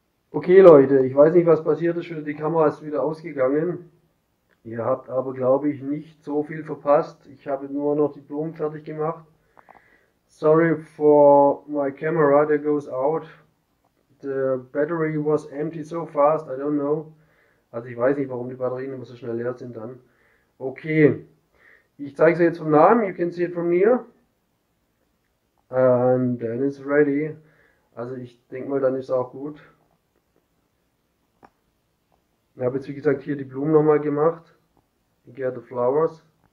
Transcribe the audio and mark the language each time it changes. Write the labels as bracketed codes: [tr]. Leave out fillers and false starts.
[de] Okay Leute, ich weiß nicht, was passiert ist, die Kamera ist wieder ausgegangen. Ihr habt aber, glaube ich, nicht so viel verpasst. Ich habe nur noch die Blumen fertig gemacht. [en] Sorry for my camera that goes out. The battery was empty so fast, I don't know. [de] Also ich weiß nicht, warum die Batterien immer so schnell leer sind dann. Okay, ich zeige sie jetzt vom Namen, [en] you can see it from here. And then it's ready. [de] Also ich denke mal, dann ist es auch gut. Ich habe jetzt, wie gesagt, hier die Blumen nochmal gemacht. [en] Get the flowers.